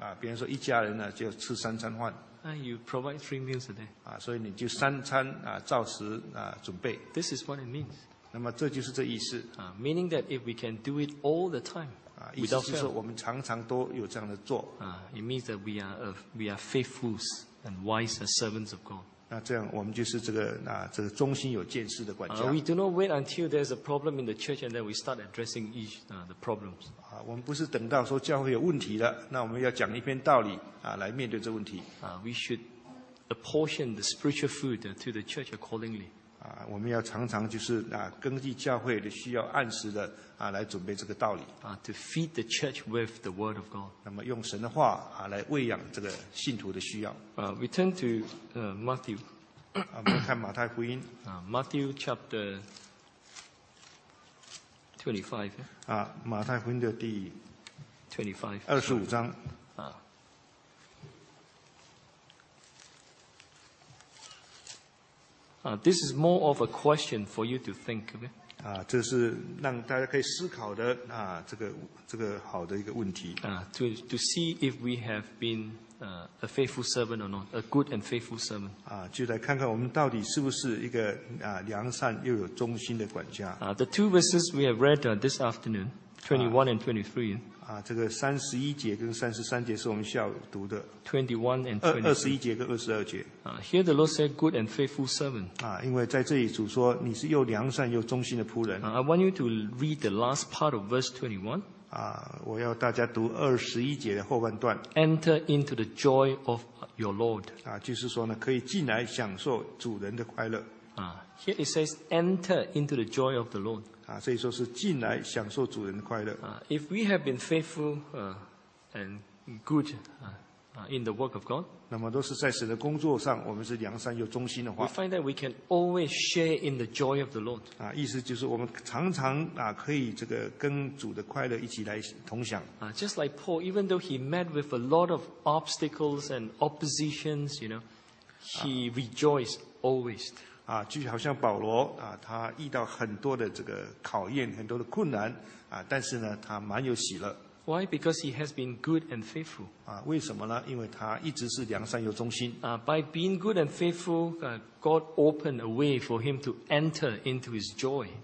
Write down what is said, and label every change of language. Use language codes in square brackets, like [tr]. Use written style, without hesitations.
[zh] 比方说一家人呢就吃三餐饭。 [en] You provide three meals a day. [zh] 所以你就三餐照时准备。 [en] This is what it means. [zh] 那么这就是这意思。 [en] Meaning that if we can do it all the time, [zh] 意思就是说我们常常都有这样的做。 [en] It means that we are faithful and wise servants of God. [zh] 那这样我们就是这个忠心有见识的管家。 [en] We do not wait until there's a problem in the church and then we start addressing the problems. [zh] 我们不是等到说教会有问题了，那我们要讲一篇道理来面对这问题。 [en] We should apportion the spiritual food to the church accordingly. [zh] 我们要常常就是根据教会的需要，按时的来准备这个道理。 [en] To feed the church with the word of God. [zh] 那么用神的话来喂养这个信徒的需要。 [en] We turn to Matthew. [zh] 我们看马太福音。 [en] Matthew chapter 25. [zh] 马太福音的第二十五章。 [en] This is more of a question for you to think of. [zh] 这是让大家可以思考的这个好的一个问题。 [en] To see if we have been a faithful servant or not, a good and faithful servant. [zh] 就来看看我们到底是不是一个良善又有忠心的管家。 [en] The two verses we have read this afternoon, 21 and 23. [zh] 这个三十一节跟三十三节是我们下午读的。 [en] 21 and 23. [zh] 二十一节跟二十二节。 [en] Here the Lord said, "Good and faithful servant." [zh] 因为在这里主说你是又良善又忠心的仆人。 [en] I want you to read the last part of verse 21. [zh] 我要大家读二十一节的后半段。 [en] Enter into the joy of your Lord. [zh] 就是说呢，可以进来享受主人的快乐。 [en] Here it says, "Enter into the joy of the Lord." [zh] 所以说是进来享受主人的快乐。 [en] If we have been faithful and good in the work of God, [zh] 那么都是在神的工作上，我们是良善又忠心的话。 [en] We find that we can always share in the joy of the Lord. [zh] 意思就是我们常常可以这个跟主的快乐一起来同享。 [en] Just like Paul, even though he met with a lot of obstacles and oppositions, you know, he rejoiced always. [zh] 啊，就好像保罗啊，他遇到很多的这个考验，很多的困难啊，但是呢，他蛮有喜乐。 [en] Why? Because he has been good and faithful. [zh] 啊，为什么呢？因为他一直是良善又忠心。 [en] By being good and faithful, God opened a way for him to enter into his joy.